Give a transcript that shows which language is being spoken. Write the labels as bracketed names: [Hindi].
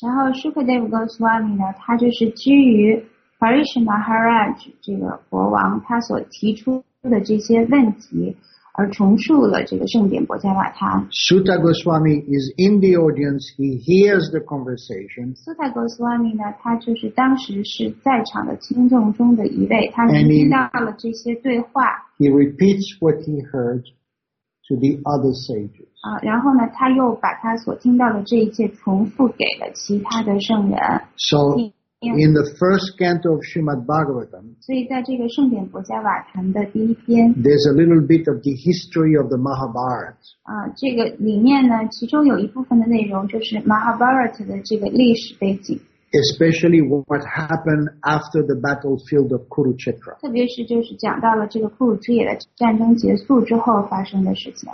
[Chinese] 然后 Sukadev Goswami 呢，他就是基于 Parikshit Maharaj 这个国王他所提出的这些问题而重述了这个圣典薄伽瓦坛。 [English] Sutta Goswami is in the audience. He hears the conversation. [Chinese] Sutta Goswami 呢，他就是当时是在场的听众中的一位，他听到了这些对话。 [English] He repeats what he heard to the other sages. [Chinese] 然后呢，他又把他所听到的这一切重复给了其他的圣人。 [English] So in the first canto of Srimad Bhagavatam, [Chinese] 所以在这个圣典薄伽瓦坛的第一篇， [English] there's a little bit of the history of the Mahabharata. [Chinese] 这个里面呢，其中有一部分的内容就是 Mahabharata 的这个历史背景。 [English] Especially what happened after the battlefield of Kurukshetra. [Chinese] 特别是就是讲到了这个库鲁切特的战争结束之后发生的事情。